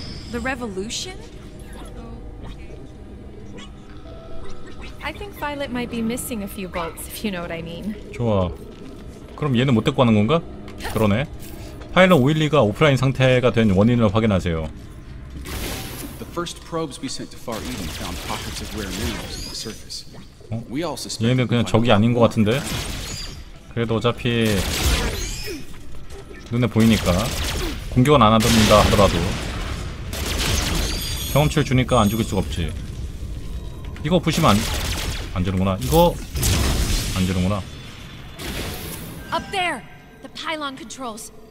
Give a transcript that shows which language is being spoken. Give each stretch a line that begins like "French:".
English: The revolution? I think Violet might be missing a few bolts, if you know what I mean.
Korean: 좋아. 그럼 얘는 못 데리고 가는 건가? 그러네. 파일럿 오일리가 오프라인 상태가 된 원인을 확인하세요.
English: The first probes we sent to Far Eden found pockets of rare minerals on the surface.
Korean: 어? 얘는 그냥 적이 아닌 것 같은데? 그래도 어차피 눈에 보이니까 공격은 안 한다 하더라도 경험치를 주니까 안 죽일 수가 없지. 이거 부시면 안 주는구나. 이거 안 주는구나.
English: Up there, the pylon controls.